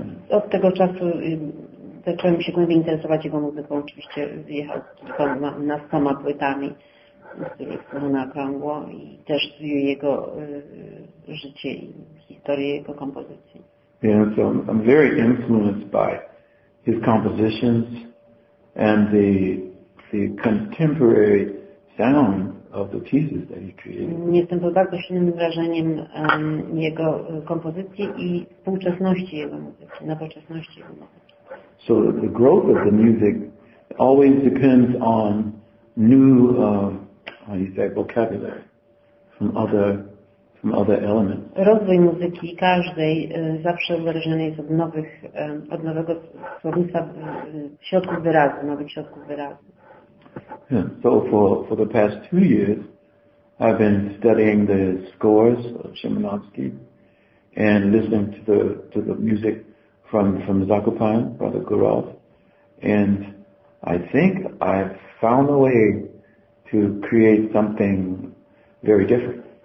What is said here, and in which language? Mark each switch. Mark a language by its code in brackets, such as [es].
[pl] Od tego czasu zacząłem się głębiej interesować jego muzyką. Oczywiście wyjechał na sama płytami, które są na okrągło i też studiuję jego życie i historię jego kompozycji. [en] And so I'm very influenced by his compositions. And the contemporary sound of the pieces that he created. [pl] Jestem pod bardzo silnym wrażeniem jego kompozycji i współczesności jego muzyki, nowoczesności jego muzyki. [en] So the growth of the music always depends on new, how do you say, vocabulary from other elements. [pl] Rozwój muzyki każdej zawsze uzależniony jest od nowych, od nowego słownictwa, środków wyrazu, nowych środków wyrazu. [en] Yeah. So for the past 2 years, I've been studying the scores of Szymanowski and listening to the music from Zakopane, Brother Gurov, and I think I've found a way to create something very different.